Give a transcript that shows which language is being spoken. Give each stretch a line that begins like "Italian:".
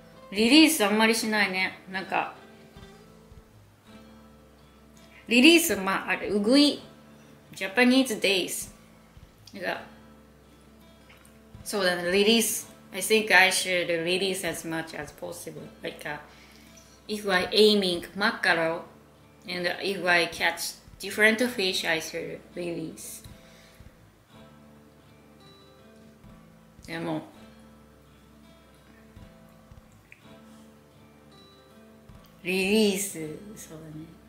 Japanese: リリースあんまりしないね。なんか、リリース、まあ、あれ、うぐい。
English: Japanese days. So then release, I think I should release as much as possible. Like, if I aiming mackerel, and if I catch different fish, I should release.
Japanese: でも、リリース、そうだね。